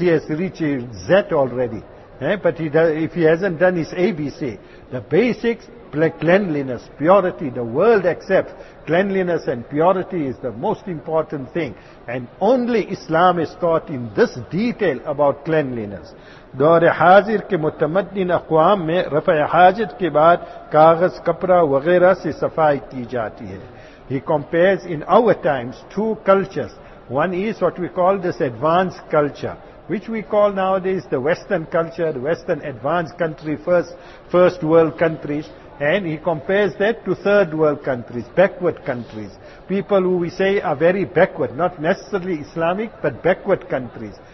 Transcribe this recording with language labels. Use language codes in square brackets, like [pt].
[en] He has reached Z already. But if he hasn't done his ABC, the basics, cleanliness, purity, the world accepts cleanliness and purity is the most important thing. And only Islam is taught in this detail about cleanliness. [ur] دورِ حاضر کے متمدن اقوام میں رفع حاجت کے بعد کاغذ کپرا وغیرہ سے صفائی کی جاتی ہے. [en] He compares in our times two cultures. One is what we call this advanced culture, which we call nowadays the Western culture, the Western advanced country, first world countries. And he compares that to third world countries, backward countries. People who we say are very backward, not necessarily Islamic, but backward countries.